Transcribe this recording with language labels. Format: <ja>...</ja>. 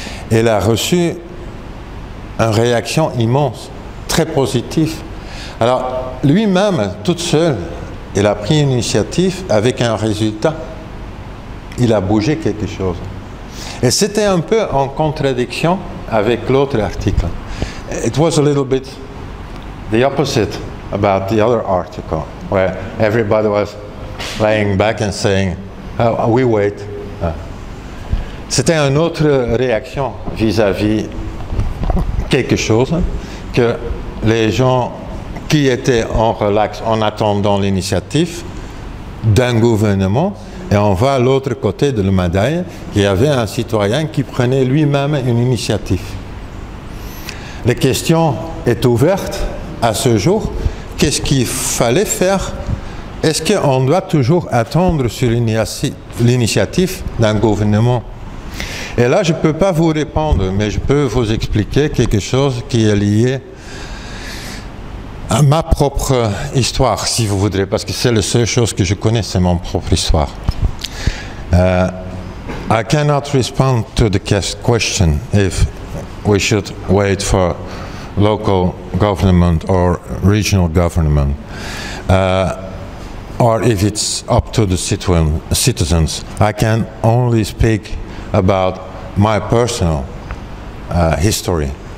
<fr>Il a reçu une réaction immense, très positive. Alors, lui-même, tout seul, il a pris une initiative avec un résultat. Il a bougé quelque chose. Et c'était un peu en contradiction avec l'autre article.</fr> <en>It was a little bit the opposite about the other article, where everybody was laying back and saying, oh, we wait.</en> <fr>C'était une autre réaction vis-à-vis quelque chose que les gens qui étaient en relax en attendant l'initiative d'un gouvernement, et on va à l'autre côté de la médaille, il y avait un citoyen qui prenait lui-même une initiative. La question est ouverte à ce jour. Qu'est-ce qu'il fallait faire? Est-ce qu'on doit toujours attendre sur l'initiative d'un gouvernement? Et là, je ne peux pas vous répondre, mais je peux vous expliquer quelque chose qui est lié à ma propre histoire, si vous voudrez, parce que c'est la seule chose que je connais, c'est mon propre histoire.</fr> <en>I cannot respond to the question if we should wait for local government or regional government. or if it's up to the citizens. I can only speak about my personal history.</en>